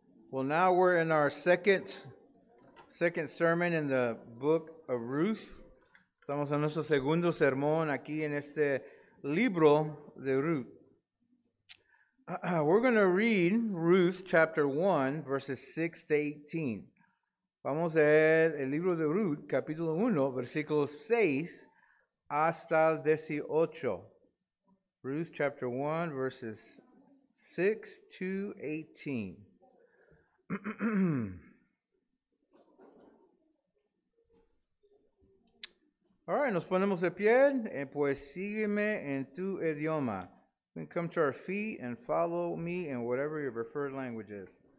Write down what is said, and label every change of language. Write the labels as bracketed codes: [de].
[en] Well, now we're in our second sermon in the book of Ruth. [es] Estamos en nuestro segundo sermón aquí en este libro de Ruth. [en] We're going to read Ruth chapter 1, verses 6 to 18. [es] Vamos a leer el libro de Ruth, capítulo 1, versículos 6 hasta el 18. [en] Ruth chapter 1, verses 6 to 18. All right, [es] nos ponemos de pie, pues sígueme en tu idioma. [en] We can come to our feet and follow me in whatever your preferred language is.